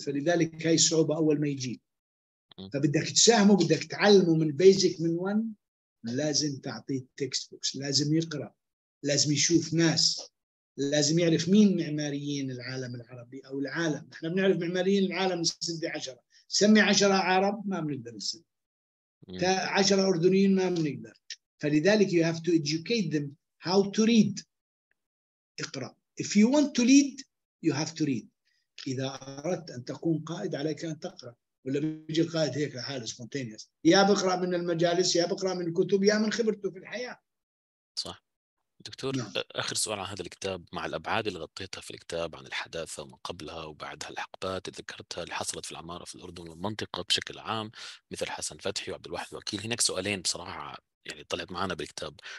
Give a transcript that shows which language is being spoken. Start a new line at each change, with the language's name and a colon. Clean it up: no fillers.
Arabic: فلذلك هاي صعوبة أول ما يجي. فبدك تساهمه، بدك تعلمه من بيزك من ون، لازم تعطيه تكست بوكس، لازم يقرأ، لازم يشوف ناس، لازم يعرف مين معماريين العالم العربي أو العالم. احنا بنعرف معماريين العالم نسدي 10، سمي 10 عرب ما بنقدر نسدي، 10 أردنيين ما بنقدر. فلذلك
English: you have to educate them how to read.
Arabic: اقرأ.
English: If you want to lead you have to read.
Arabic: إذا أردت أن تكون قائد عليك أن تقرأ. ولا بيجي القائد هيك لحاله spontaneous، يا بقرأ من المجالس، يا بقرأ من الكتب، يا من خبرته في الحياة. صح دكتور. نعم. آخر سؤال عن هذا الكتاب، مع الأبعاد اللي غطيتها في الكتاب عن الحداثة وما قبلها وبعدها، الحقبات اللي ذكرتها اللي حصلت في العمارة في الأردن والمنطقة بشكل عام مثل حسن فتحي وعبد الواحد الوكيل، هناك سؤالين بصراحة يعني طلعت معنا بالكتاب.